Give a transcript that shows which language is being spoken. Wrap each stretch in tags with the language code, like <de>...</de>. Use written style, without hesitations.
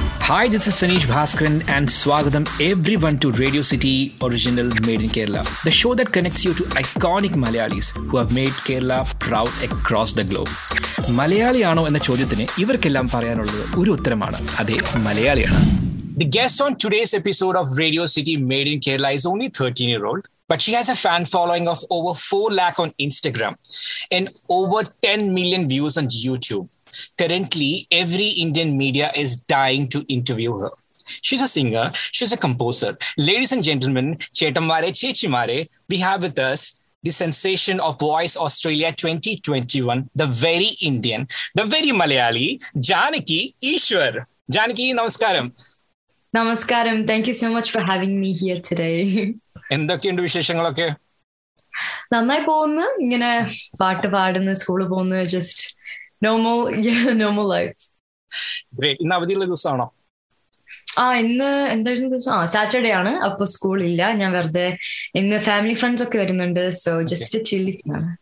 <en>Hi, this is Sanish Bhaskaran and swagatham everyone to Radio City Original Made in Kerala, the show that connects you to iconic Malayalis who have made Kerala proud across the globe.</en> <ml>മലയാളിയാണോ എന്ന ചോദ്യത്തിന് ഇവർക്കെല്ലാം പറയാനുള്ളത് ഒരു ഉത്തരമാണ്, അതെ, മലയാളിയാണ്.</ml> <en>The guest on today's episode of Radio City Made in Kerala is only 13-year-old, but she has a fan following of over 4 lakh on Instagram and over 10 million views on YouTube. Currently, every Indian media is dying to interview her. She's a singer, she's a composer. Ladies and gentlemen,</en> <ml>chetammare, chechimare,</ml> <en>we have with us the sensation of Voice Australia 2021, the very Indian, the very Malayali, Janaki Easwar. Janaki, namaskaram. Namaskaram. Thank you so much for having me here today.</en> <ml>എന്തൊക്കെയുണ്ട് വിശേഷങ്ങൾ? ഒക്കെ നന്നായി പോകുന്നു. ഇങ്ങനെ പാട്ട് പാടുന്നു, school പോകുന്നു,</ml> <en>Just normal life.</en> <ml>Great. ഇന്ന് അവധിയുള്ള ദിവസമാണോ? ആ, ഇന്ന് എന്തായിരുന്നു ദിവസം? ആ, സാറ്റർഡേ ആണ്, അപ്പൊ സ്കൂൾ ഇല്ല. ഞാൻ വെറുതെ ഇന്ന് ഫാമിലി ഫ്രണ്ട്സ് ഒക്കെ വരുന്നുണ്ട്, സോ ജസ്റ്റ് ചില്ലിക്കാണ്.</ml>